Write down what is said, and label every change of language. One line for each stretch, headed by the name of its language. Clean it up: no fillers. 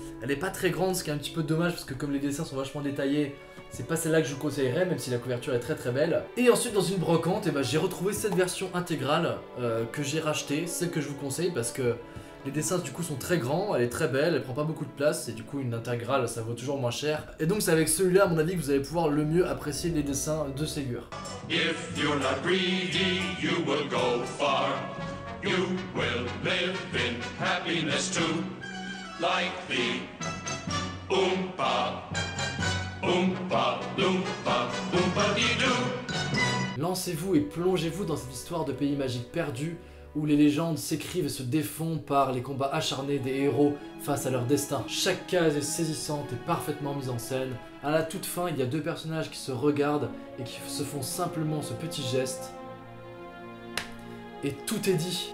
French: Elle est pas très grande, ce qui est un petit peu dommage parce que comme les dessins sont vachement détaillés, c'est pas celle-là que je vous conseillerais, même si la couverture est très très belle. Et ensuite, dans une brocante, j'ai retrouvé cette version intégrale que j'ai rachetée, celle que je vous conseille, parce que les dessins du coup sont très grands, elle est très belle, elle prend pas beaucoup de place, et du coup une intégrale, ça vaut toujours moins cher. Et donc c'est avec celui-là, à mon avis, que vous allez pouvoir le mieux apprécier les dessins de Ségur.
English: If you're not greedy, you will go far. You will live in happiness too. Like the Oompa.
French: Oompa, Oompa, lancez-vous et plongez-vous dans cette histoire de pays magique perdu où les légendes s'écrivent et se défont par les combats acharnés des héros face à leur destin. Chaque case est saisissante et parfaitement mise en scène. À la toute fin, il y a deux personnages qui se regardent et qui se font simplement ce petit geste. Et tout est dit.